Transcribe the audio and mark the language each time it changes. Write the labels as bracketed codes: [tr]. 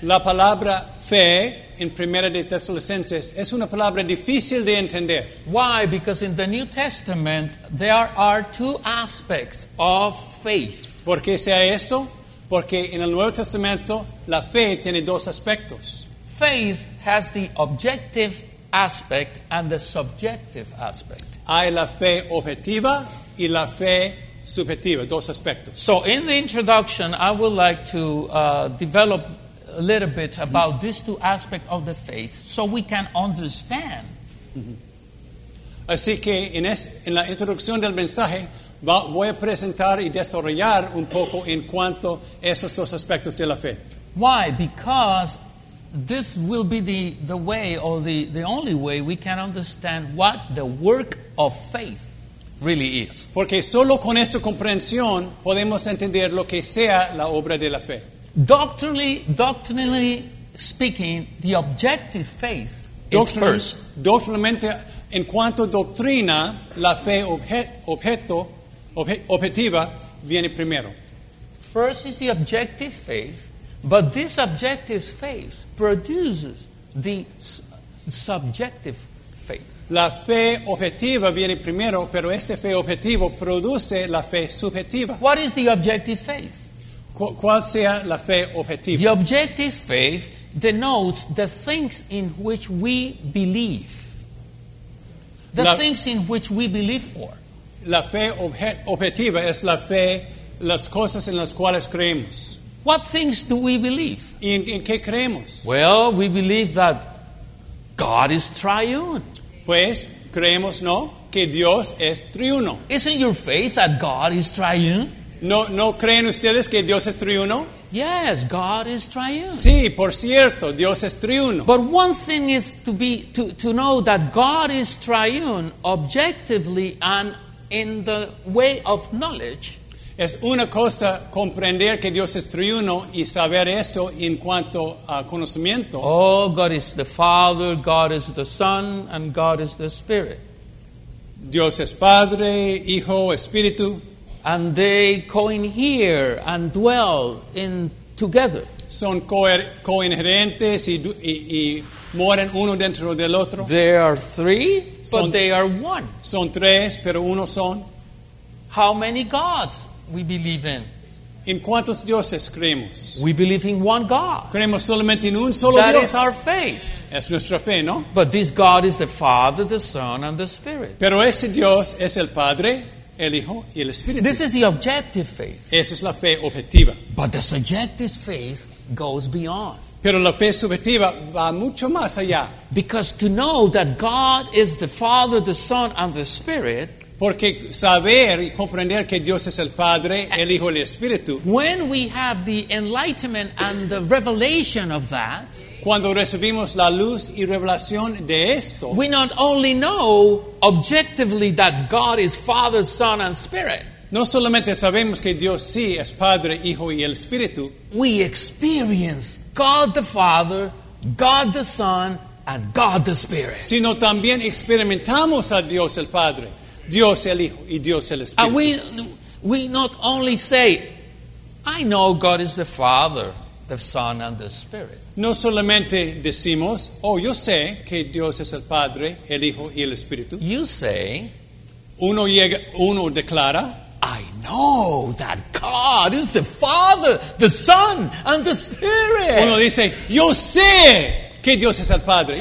[es] La palabra fe en Primera de Tesalonicenses es una palabra difícil de entender. [en] Why? Because in the New Testament there are two aspects of faith. [es] ¿Por qué sea esto? Porque en el Nuevo Testamento la fe tiene dos aspectos. [en] Faith has the objective aspect and the subjective aspect. [es] Hay la fe objetiva y la fe subjetiva, dos aspectos. [en] So in the introduction, I would like to develop a little bit about these two aspects of the faith so we can understand. Mm-hmm. [es] Así que en la introducción del mensaje, voy a presentar y desarrollar un poco en cuanto a esos dos aspectos de la fe. [en] Why? Because this will be the way or the only way we can understand what the work of faith really is. [es] Porque solo con esta comprensión podemos entender lo que sea la obra de la fe. [en] Doctrinally speaking, the objective faith is first. [es] Doctrinalmente, en cuanto a doctrina, la fe objetiva viene primero. [en] First is the objective faith, but this objective faith produces the subjective faith. [es] La fe objetiva viene primero, pero este fe objetivo produce la fe subjetiva. [en] What is the objective faith? [es] ¿Cuál sea la fe objetiva? [en] The objective faith denotes the things in which we believe. Things in which we believe for. [es] La fe objetiva es la fe, las cosas en las cuales creemos. [en] What things do we believe? [es] ¿En qué creemos? [en] Well, we believe that God is triune. [es] Pues, creemos, ¿no?, que Dios es triuno. [en] Isn't your faith that God is triune? [es] ¿No creen ustedes que Dios es triuno? [en] Yes, God is triune. [es] Sí, por cierto, Dios es triuno. [en] But one thing is to know that God is triune objectively and in the way of knowledge. [es] Es una cosa comprender que Dios es triuno y saber esto en cuanto a conocimiento. [en] Oh, God is the Father, God is the Son, and God is the Spirit. [es] Dios es Padre, Hijo, Espíritu. [en] And they cohere and dwell in together. [es] Son coherentes y moran uno dentro del otro. [en] There are three, but they are one. [es] Son tres, pero uno son. [en] How many gods we believe in? [es] ¿En cuántos dioses creemos? [en] We believe in one God. [es] Creemos solamente en un solo [en] that [es] Dios. [en] That is our faith. [es] Es nuestra fe, ¿no? [en] But this God is the Father, the Son, and the Spirit. [es] Pero este Dios es el Padre, el Hijo, y el Espíritu. [en] This is the objective faith. [es] Esa es la fe objetiva. [en] But the subjective faith goes beyond. [es] Pero la fe subjetiva va mucho más allá. [en] Because to know that God is the Father, the Son, and the Spirit. [es] Porque saber y comprender que Dios es el Padre, el Hijo y el Espíritu. [en] When we have the enlightenment and the revelation of that, [es] cuando recibimos la luz y revelación de esto, [en] we not only know objectively that God is Father, Son and Spirit. [es] No solamente sabemos que Dios sí es Padre, Hijo y el Espíritu. [en] We experience God the Father, God the Son and God the Spirit. [es] Sino también experimentamos a Dios el Padre, Dios el Hijo y Dios el Espíritu. [en] And we not only say, I know God is the Father, the Son, and the Spirit. [es] No solamente decimos, oh, yo sé que Dios es el Padre, el Hijo y el Espíritu. [en] You say, [es] uno declara, [en] I know that God is the Father, the Son, and the Spirit. [es] Uno dice, yo sé que Dios es el Padre.